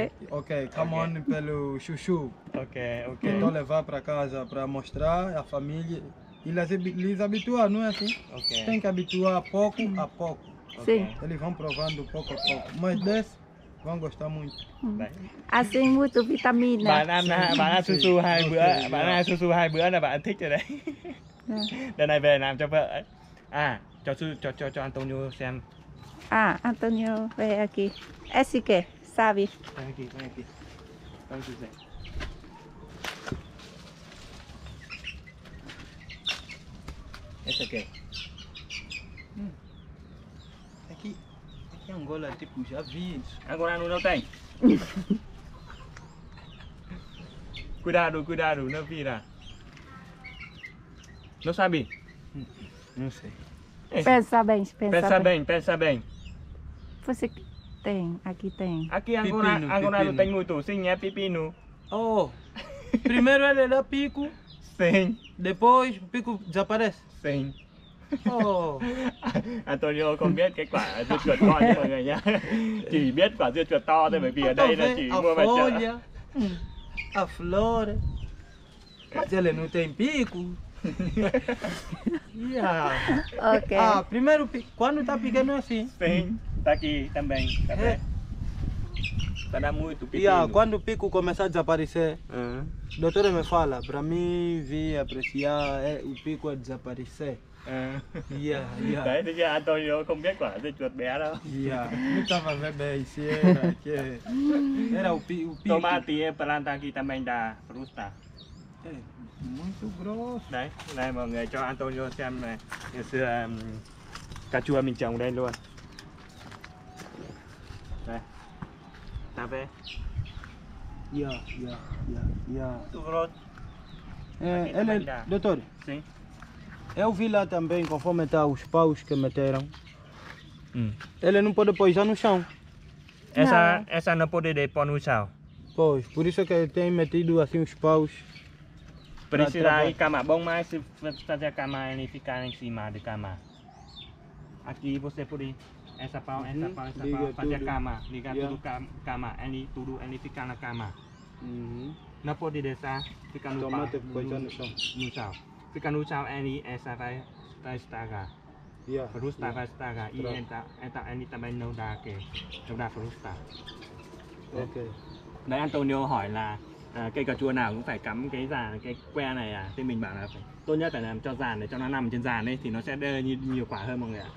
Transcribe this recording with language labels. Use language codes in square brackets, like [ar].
[en] Ok, come on [pt] pelo chuchu. Ok. Vou levar pra casa pra mostrar a família. Eles habituam, não é assim? Okay. Tem que habituar pouco a pouco. Okay. Eles vão provando pouco a pouco. Mas desse, vão gostar muito. Assim, muito vitamina. [vi] Bạn ăn susu hai bữa là bạn thích rồi đấy. Lần này về làm cho vợ. [pt] À, cho Antonio xem. À, Antonio, [vi] về [pt] aqui. Esse que, sabe? Vem aqui, vem aqui. Vamos dizer. Esse aqui. Aqui. Aqui é Angola, tipo, já vi isso. Angola não tem? cuidado, não vira. Não sabe? Não sei. Pensa bem. Você tem, aqui tem. Aqui Angola não tem muito, sim, é pepino. Oh, primeiro ele dá pico. Sim. Depois o pico desaparece. Sim. Oh. [vi] Antonio không biết cái quả dưa chuột to như mọi người nhá. Chỉ biết quả dưa chuột to thôi bởi vì ở đây là chỉ mua về chợ. [pt] A flor. Mas ele não tem pico. Yeah. Okay. Ah, primeiro pico. Quando tá pequeno assim? Sim, tá aqui também. Tá bem. Tá dando muito pico. Yeah, quando o pico começar a desaparecer, doutora me fala, pra mim vir apreciar é o pico a desaparecer. [vi] Đấy thì cái Antonio không biết quả dưa chuột bé đâu. Chúng ta phải về xe là kia. [pt] Era o pico. Tomate e planta aqui também da fruta. Muito grosso. [vi] Đấy, này mọi người cho Antonio xem này. Ngày xưa cà chua mình trồng đây luôn. Đây. Ta về. [pt] Muito grosso. Ele, doutor. Sim. Eu vi lá também, conforme está os paus que meteram. Ele não pode pousar no chão. Essa não pode depor no chão. Pois, por isso que ele tem metido assim os paus. Precisa ir cama. Bom, mas se fazer a cama, ele fica em cima de cama. Aqui você pode essa pau, fazer a cama. Liga tudo cama. Ele fica na cama. Não pode deixar, fica no pau. Tomate pousar no chão. Fica no chão, ele essa vai estragar. Yeah, frusta vai estragar. E então ele também não dá que. Não dá frusta. Ok. [vi] Daí Antonio hỏi là cây cà chua nào cũng phải cắm cái dàn, cái que này à? Thì mình bảo là phải, tốt nhất phải làm cho dàn để cho nó nằm trên dàn ấy thì nó sẽ đưa nhiều quả hơn mọi người ạ.